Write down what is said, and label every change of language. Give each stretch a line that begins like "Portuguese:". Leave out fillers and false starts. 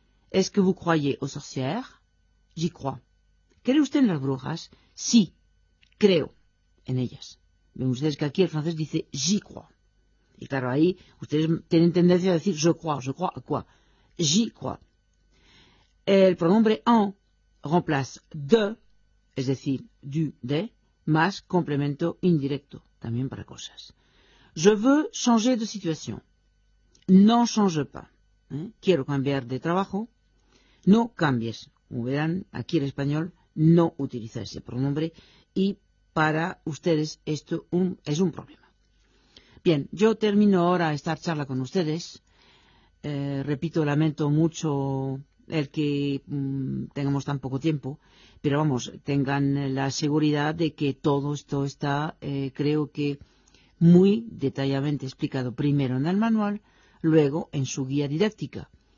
French: ¿Est-ce que vous croyez aux sorcières? J'y crois.
Spanish: ¿Cree usted en las brujas? Sí, creo en ellas. Ven ustedes que aquí el francés dice
French: j'y crois.
Spanish: Y claro, ahí ustedes tienen tendencia a decir
French: je crois a quoi? J'y crois.
Spanish: El pronombre en remplace de, es decir, du, de, más complemento indirecto, también para cosas.
French: Je veux changer de situation. N'en change pas.
Spanish: Quiero cambiar de trabajo. No cambies. Como verán, aquí el español no utiliza ese pronombre y para ustedes esto es un problema. Bien, yo termino ahora esta charla con ustedes. Repito, lamento mucho el que tengamos tan poco tiempo, pero vamos, tengan la seguridad de que todo esto está, creo que, muy detalladamente explicado primero en el manual, luego en su guía didáctica.